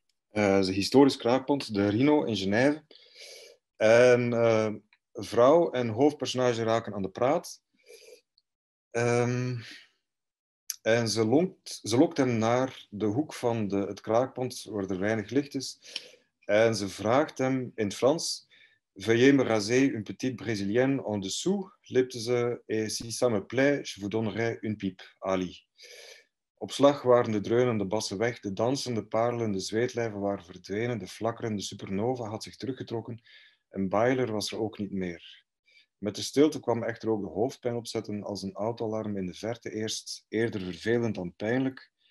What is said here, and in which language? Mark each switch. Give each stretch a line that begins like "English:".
Dutch: Een historisch kraakpand, de Rhino in Genève. En vrouw en hoofdpersonage raken aan de praat. En ze lokt hem naar de hoek van het kraakpand, waar er weinig licht is. En ze vraagt hem in het Frans,
French: veuillez me raser une petite brésilienne en dessous,
Dutch: lipte ze,
French: et si ça me plaît, je vous donnerai une pipe, Ali.
Dutch: Op slag waren de dreunende bassen weg, de dansende parelen, de zweetlijven waren verdwenen, de flakkerende supernova had zich teruggetrokken, en Bayler was er ook niet meer. Met de stilte kwam echter ook de hoofdpijn opzetten als een autoalarm in de verte eerst, eerder vervelend dan pijnlijk,